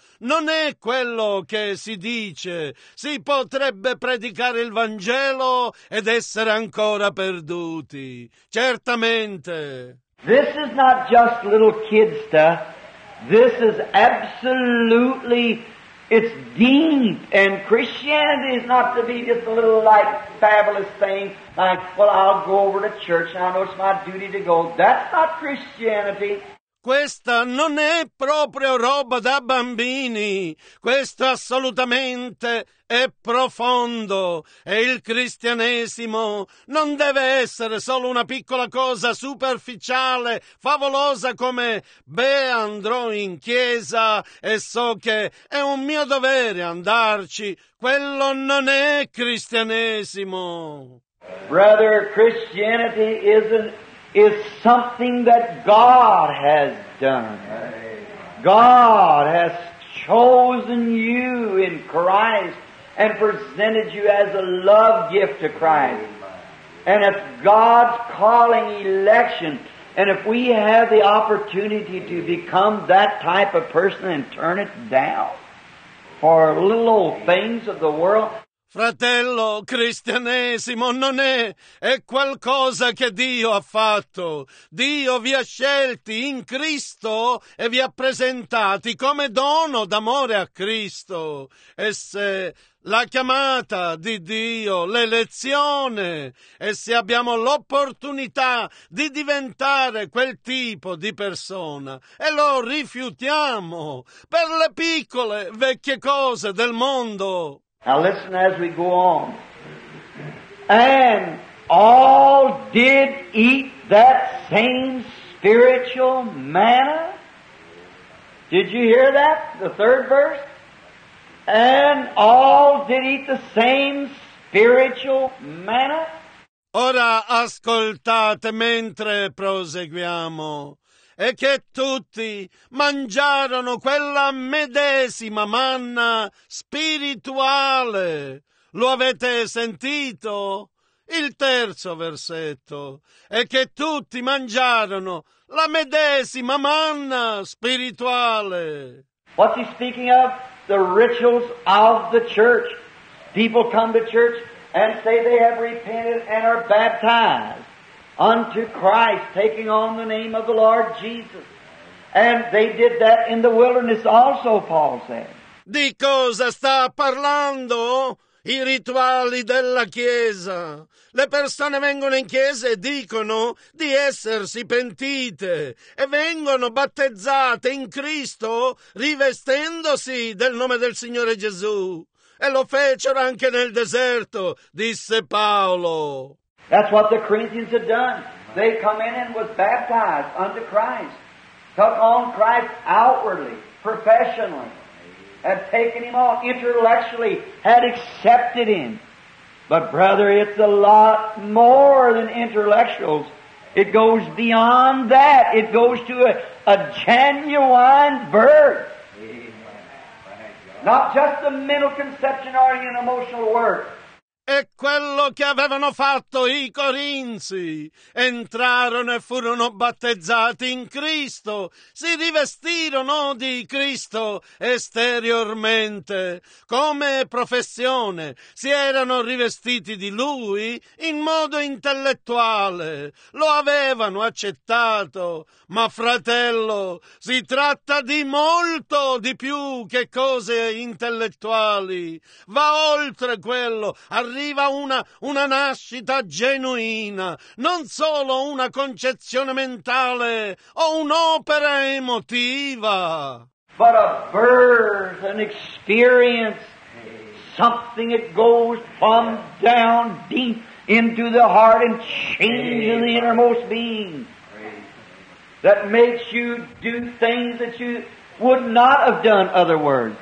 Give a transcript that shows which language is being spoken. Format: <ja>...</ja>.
<it>Non è quello che si dice. Si potrebbe predicare il Vangelo ed essere ancora perduti. Certamente.</it> <en>This is not just little kid stuff. This is absolutely, it's deep. And Christianity is not to be just a little like fabulous thing, like, well, I'll go over to church and I know it's my duty to go. That's not Christianity.</en> <it>Questa non è proprio roba da bambini. Questo assolutamente è profondo. E il cristianesimo non deve essere solo una piccola cosa superficiale, favolosa come beh, andrò in chiesa e so che è un mio dovere andarci. Quello non è cristianesimo.</it> <en>Brother, Christianity is something that God has done. God has chosen you in Christ and presented you as a love gift to Christ. And if God's calling election, and if we have the opportunity to become that type of person and turn it down for little old things of the world.</en> <it>Fratello, cristianesimo non è, è qualcosa che Dio ha fatto. Dio vi ha scelti in Cristo e vi ha presentati come dono d'amore a Cristo. E se la chiamata di Dio, l'elezione, e se abbiamo l'opportunità di diventare quel tipo di persona, e lo rifiutiamo per le piccole vecchie cose del mondo.</it> <en>Now listen as we go on. And all did eat that same spiritual manna. Did you hear that? The third verse? And all did eat the same spiritual manna.</en> <it>Ora ascoltate mentre proseguiamo. E che tutti mangiarono quella medesima manna spirituale. Lo avete sentito? Il terzo versetto. E che tutti mangiarono la medesima manna spirituale.</it> <en>What's he speaking of? The rituals of the church. People come to church and say they have repented and are baptized unto Christ, taking on the name of the Lord Jesus. And they did that in the wilderness also, Paul said.</en> <it>Di cosa sta parlando? I rituali della Chiesa. Le persone vengono in Chiesa e dicono di essersi pentite e vengono battezzate in Cristo rivestendosi del nome del Signore Gesù. E lo fecero anche nel deserto, disse Paolo.</it> <en>That's what the Corinthians had done. They come in and was baptized unto Christ, took on Christ outwardly, professionally, had taken him on intellectually, had accepted him. But brother, it's a lot more than intellectuals. It goes beyond that. It goes to a genuine birth. Not just a mental conception or an emotional work.</en> <it>e quello che avevano fatto i Corinzi. Entrarono e furono battezzati in Cristo, si rivestirono di Cristo esteriormente, come professione si erano rivestiti di Lui in modo intellettuale, lo avevano accettato, ma fratello, si tratta di molto di più che cose intellettuali, va oltre quello, arriva una nascita genuina, non solo una concezione mentale o un'opera emotiva.</it> <en>But a birth, an experience, something that goes from down deep into the heart and changes the innermost being. That makes you do things that you would not have done other words.</en>